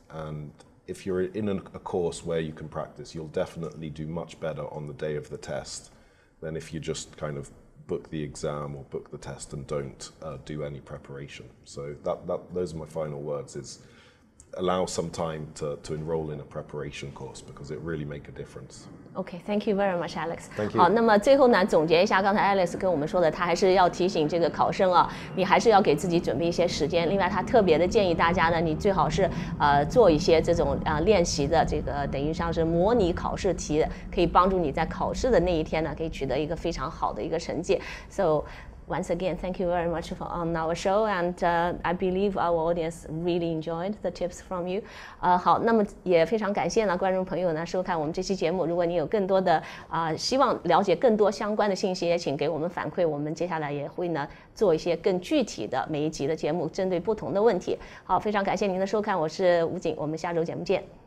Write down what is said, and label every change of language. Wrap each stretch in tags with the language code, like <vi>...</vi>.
<en>And if you're in a course where you can practice, you'll definitely do much better on the day of the test than if you just kind of book the exam or book the test and don't do any preparation. So those are my final words, is allow some time to enroll in a preparation course because it really make a difference. Okay, thank you very much, Alex. Thank you.</en> <zh>好，那么最后呢，总结一下刚才 Alex 跟我们说的，他还是要提醒这个考生啊，你还是要给自己准备一些时间。另外，他特别的建议大家呢，你最好是做一些这种练习的这个，等于像是模拟考试题，可以帮助你在考试的那一天呢，可以取得一个非常好的一个成绩。</zh> <en>So. Once again, thank you very much for on our show, and I believe our audience really enjoyed the tips from you.</en> <zh>好，那么也非常感谢呢观众朋友呢收看我们这期节目。如果你有更多的希望了解更多相关的信息，也请给我们反馈。我们接下来也会呢做一些更具体的每一集的节目，针对不同的问题。好，非常感谢您的收看，我是吴景，我们下周节目见。</zh>